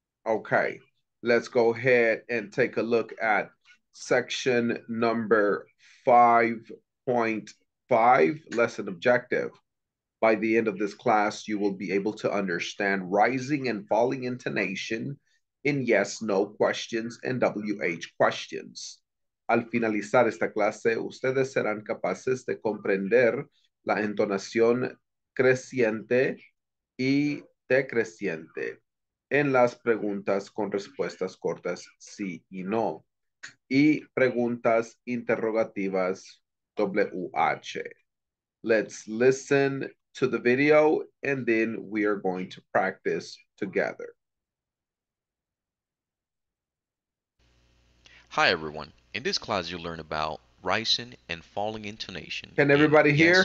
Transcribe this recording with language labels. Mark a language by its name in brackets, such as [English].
[English] Okay, let's go ahead and take a look at section number 5.5, lesson objective. By the end of this class, you will be able to understand rising and falling intonation in yes, no questions and WH questions. [Spanish] Al finalizar esta clase, ustedes serán capaces de comprender la entonación creciente y decreciente en las preguntas con respuestas cortas sí y no y preguntas interrogativas WH. [English] Let's listen to the video and then we are going to practice together. Hi, everyone. In this class, you'll learn about rising and falling intonation. Can everybody hear?